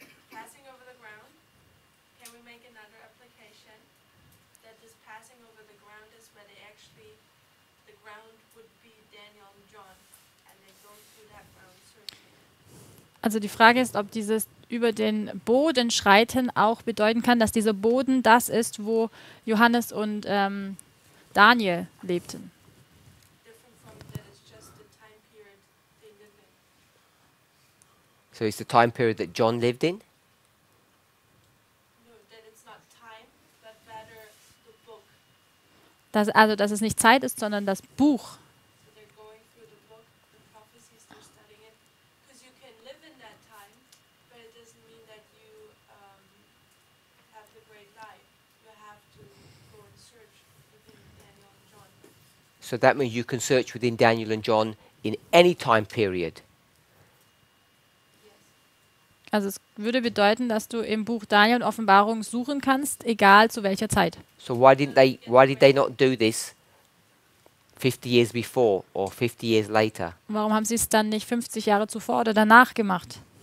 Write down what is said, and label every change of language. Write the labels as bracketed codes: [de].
[en] Passing over the ground, can we make another application that this passing over the ground is where they actually, the ground would be Daniel and John, and they go through that ground certainly. [de] Also die Frage ist, ob dieses über den Boden schreiten auch bedeuten kann, dass dieser Boden das ist, wo Johannes und Daniel lebten. [en] Different from that, it's just the time period they lived in. So it's the time period that John lived in? No, then it's not time, but rather the book. [de] Das, also, dass es nicht Zeit ist, sondern das Buch. [en] So they're going through the book, the prophecies, they're studying it. Because you can live in that time, but it doesn't mean that you have the great life. You have to go and search within Daniel and John. So that means you can search within Daniel and John in any time period. [de] Also es würde bedeuten, dass du im Buch Daniel und Offenbarung suchen kannst, egal zu welcher Zeit. [en] So why did they not do this 50 years before or 50 years later? [de] Warum haben sie es dann nicht 50 Jahre zuvor oder danach gemacht?